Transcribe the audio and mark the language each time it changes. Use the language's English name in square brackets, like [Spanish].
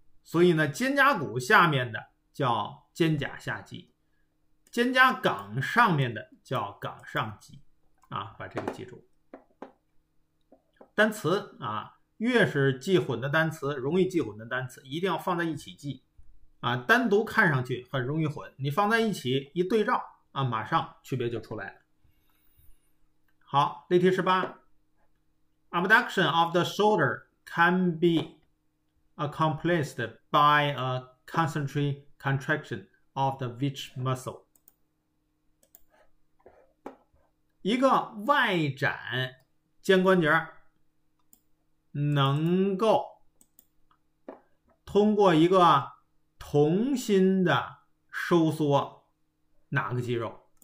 [Chinese] 所以呢，肩胛骨下面的叫肩胛下肌，肩胛冈上面的叫冈上肌啊，把这个记住。单词啊，越是记混的单词，容易记混的单词，一定要放在一起记啊，单独看上去很容易混，你放在一起一对照啊，马上区别就出来了。好，例题18。 [English] Abduction of the shoulder can be accomplished by a concentric contraction of the which muscle？ [Chinese] 一个外展肩关节能够通过一个同心的收缩哪个肌肉？